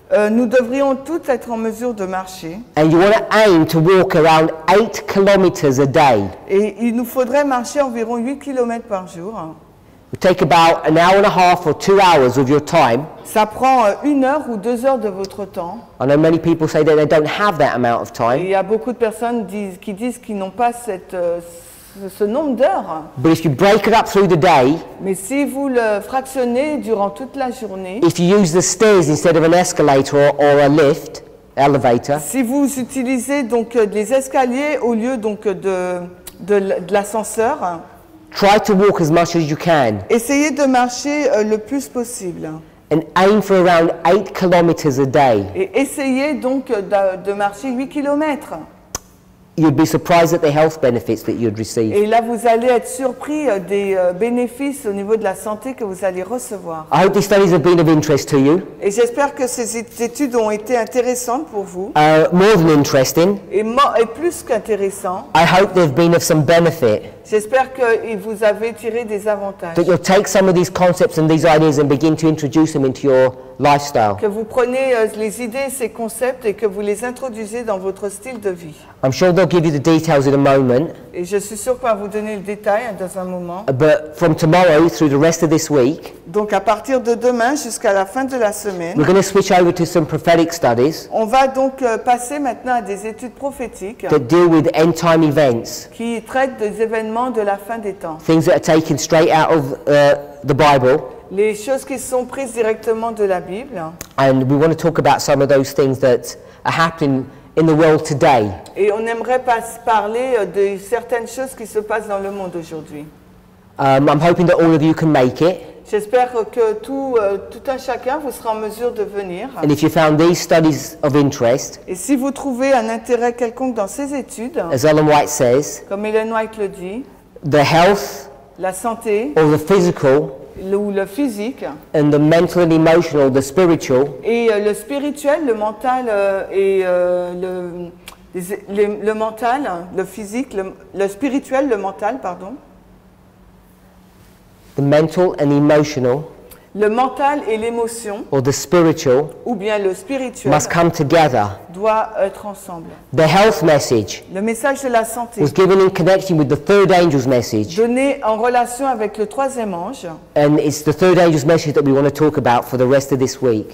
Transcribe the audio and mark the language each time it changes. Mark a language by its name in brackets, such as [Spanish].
[French] Nous devrions tous être en mesure de marcher. [English] And you want to aim to walk around 8 kilometers a day. [French] Et il nous faudrait marcher environ 8 kilomètres par jour. [English] You take about an hour and a half or 2 hours of your time. [French] Ça prend une heure ou deux heures de votre temps. [English] I know many people say that they don't have that amount of time. [French] Il y a beaucoup de personnes qui disent qu'ils n'ont pas ce nombre d'heures. [English] But if you break it up through the day, [French] mais si vous le fractionnez durant toute la journée, [English] if you use the stairs instead of an escalator or a lift, elevator, [French] si vous utilisez donc des escaliers au lieu donc de l'ascenseur, [English] try to walk as much as you can. [French] Essayez de marcher le plus possible. [English] And aim for around 8 kilometers a day. [French] Et essayez donc de marcher 8 kilomètres. [English] You'd be surprised at the health benefits that you'd receive. [French] Et là, vous allez être surpris des bénéfices au niveau de la santé que vous allez recevoir. [English] I hope these studies have been of interest to you. [French] Et j'espère que ces études ont été intéressantes pour vous. [English] More than interesting. [French] Et plus qu'intéressant. [English] I hope they've been of some benefit. [French] J'espère que vous avez tiré des avantages. [English] That you'll take some of these concepts and these ideas and begin to introduce them into your lifestyle. [French] Que vous prenez les idées, ces concepts et que vous les introduisez dans votre style de vie. [English] I'm sure they'll give you the details in a moment. [French] Et je suis sûr qu'on va vous donner le détail dans un moment. [English] But from tomorrow through the rest of this week. [French] Donc à partir de demain jusqu'à la fin de la semaine. [English] We're going to switch over to some prophetic studies. [French] On va donc passer maintenant à des études prophétiques. [English] That deal with end time events. [French] Qui traitent des événements de la fin des temps. [English] Things that are taken straight out of the Bible. [French] Les choses qui sont prises directement de la Bible. [English] And we want to talk about some of those things that are happening in the world today. [French] Et on aimerait parler de certaines choses qui se passent dans le monde aujourd'hui. [English] I'm hoping that all of you can make it. [French] J'espère que tout un chacun vous sera en mesure de venir. [English] And if you found these studies of interest, [French] et si vous trouvez un intérêt quelconque dans ces études, [English] as Ellen White says, [French] comme Ellen White le dit, [English] the health, [French] la santé, [English] or the physical, [French] ou le physique, [English] and the mental and emotional, the spiritual, [French] et le spirituel, le mental et le mental, le physique, le spirituel, le mental, pardon. [English] The mental and emotional, [French] le mental et l'émotion, [English] or the spiritual, [French] ou bien le spirituel, [English] must come together. [French] Doit être ensemble. [English] The health message, [French] le message de la santé, [English] was given in connection with the third angel's message. [French] Donné en relation avec le troisième ange. [English] And it's the third angel's message that we want to talk about for the rest of this week.